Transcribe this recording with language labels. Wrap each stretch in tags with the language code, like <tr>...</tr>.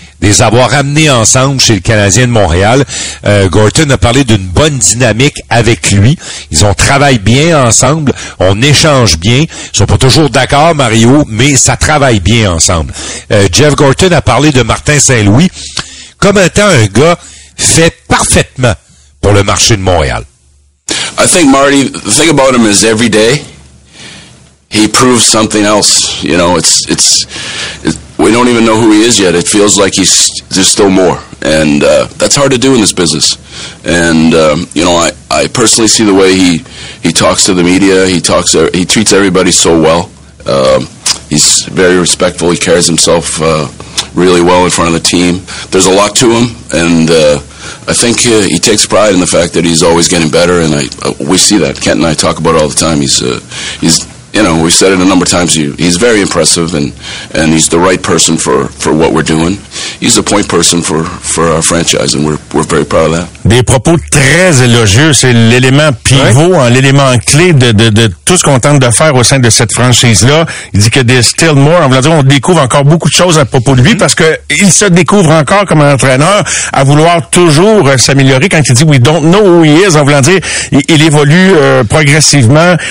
<fr>Les avoir amenés ensemble chez le Canadien de Montréal. Gorton a parlé d'une bonne dynamique avec lui. Ils ont travaillé bien ensemble, on échange bien. Ils sont pas toujours d'accord, Mario, mais ça travaille bien ensemble. Jeff Gorton a parlé de Martin Saint-Louis comme étant un gars fait parfaitement pour le marché de Montréal.</fr> <en>I think Marty, the thing about him is every day he proves something else. You know, it's we don't even know who he is yet. It feels like there's still more. And that's hard to do in this business. And, I personally see the way he talks to the media. He treats everybody so well. He's very respectful. He carries himself really well in front of the team. There's a lot to him, and I think he takes pride in the fact that he's always getting better, and we see that. Kent and I talk about it all the time. He's you know, we've said it a number of times. He's very impressive, and he's the right person for what we're doing. He's the point person for our franchise, and we're very proud of that.</en> <fr>Des propos très élogieux. C'est l'élément pivot, ouais. Hein, l'élément clé de tout ce qu'on tente de faire au sein de cette franchise-là. Il dit que</fr> <en>there's still more.</en> <fr>En voulant dire, on découvre encore beaucoup de choses à propos de lui parce que il se découvre encore comme entraîneur à vouloir toujours s'améliorer. Quand il dit</fr> <en>we don't know who he is,</en> <fr>en voulant dire, il évolue progressivement.</fr>